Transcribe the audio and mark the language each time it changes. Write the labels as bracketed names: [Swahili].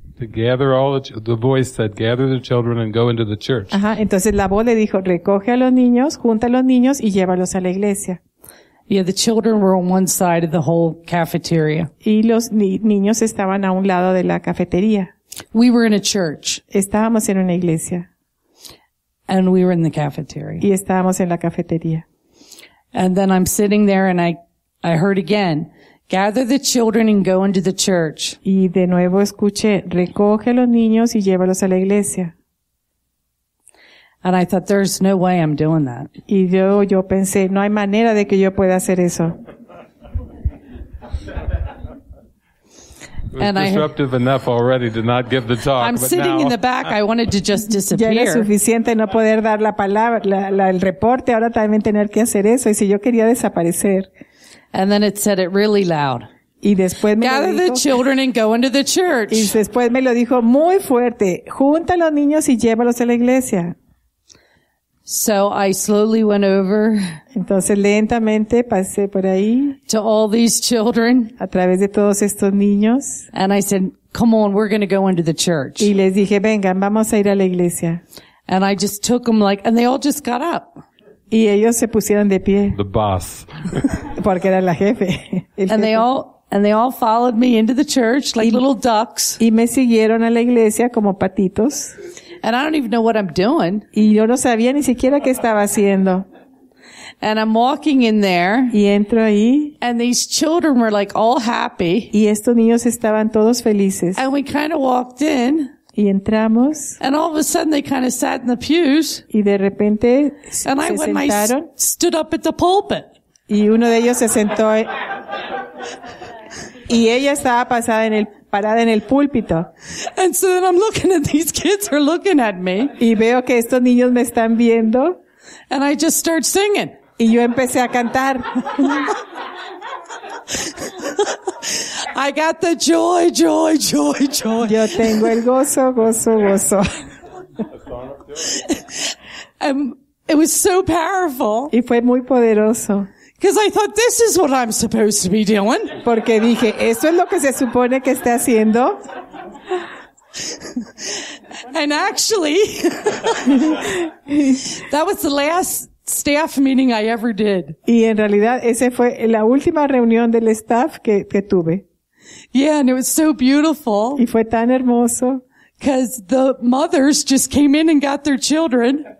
[English] To gather all the voice said, gather the children and go into the church. [Spanish] Ajá, entonces la voz le dijo, recoge a los niños, junta a los niños y llévalos a la iglesia. [English] Yeah, the children were on one side of the whole cafeteria. [Spanish] Y los niños estaban a un lado de la cafetería. [English] We were in a church. [Spanish] Estábamos en una iglesia. [English] And we were in the cafeteria. [Spanish] Y estábamos en la cafetería. [English] And then I'm sitting there and I heard again, gather the children and go into the church. [Spanish] Y de nuevo escuché, recoge a los niños y llévalos a la iglesia. [English] And I thought, there's no way I'm doing that. [Spanish] Y yo pensé, no hay manera de que yo pueda hacer eso. [English] It was disruptive enough already to not give the talk. I'm but sitting now, in the back. I wanted to just disappear. [Spanish] Ya era suficiente no poder dar la palabra, el reporte. Ahora también tener que hacer eso. Y si yo quería desaparecer. [English] And then it said it really loud. [Spanish] Y después me [English] gather [Spanish] lo [English] the [Spanish] dijo, [English] children and go into the church. [Spanish] Y después me lo dijo muy fuerte. Junta a los niños y llévalos a la iglesia. [English] So I slowly went over. [Spanish] Entonces lentamente pasé por ahí. [English] To all these children. [Spanish] A través de todos estos niños. [English] And I said, come on, we're going to go into the church. [Spanish] Y les dije, vengan, vamos a ir a la iglesia. [English] And I just took them like, and they all just got up. [Spanish] Y ellos se pusieron de pie. [English] The boss. [Spanish] Porque era la jefe. [English] And they all followed me into the church like little ducks. [Spanish] Y me siguieron a la iglesia como patitos. [English] And I don't even know what I'm doing. [Spanish] Y yo no sabía ni siquiera qué estaba haciendo. [English] And I'm walking in there. [Spanish] Y entro ahí. [English] And these children were like all happy. [Spanish] Y estos niños estaban todos felices. [English] And we kind of walked in. [Spanish] Y entramos. [English] And all of a sudden they kind of sat in the pews. [Spanish] Y de repente [English] and [Spanish] se sentaron. [English] And I stood up at the pulpit. [Spanish] Y uno de ellos se sentó. Y ella estaba pasada en el parada en el púlpito. [English] And so then I'm looking at these kids are looking at me. [Spanish] Y veo que estos niños me están viendo. [English] And I just start singing. [Spanish] Y yo empecé a cantar. [English] I got the joy, joy, joy, joy. [Spanish] Yo tengo el gozo, gozo, gozo. [English] It was so powerful. [Spanish] Y fue muy poderoso. [English] Because I thought this is what I'm supposed to be doing. [Spanish] Porque dije, esto es lo que se supone que esté haciendo. [English] And actually, that was the last staff meeting I ever did. [Spanish] Y en realidad, ese fue la última reunión del staff que tuve. [English] Yeah, and it was so beautiful. [Spanish] Y fue tan hermoso. [English] Because the mothers just came in and got their children.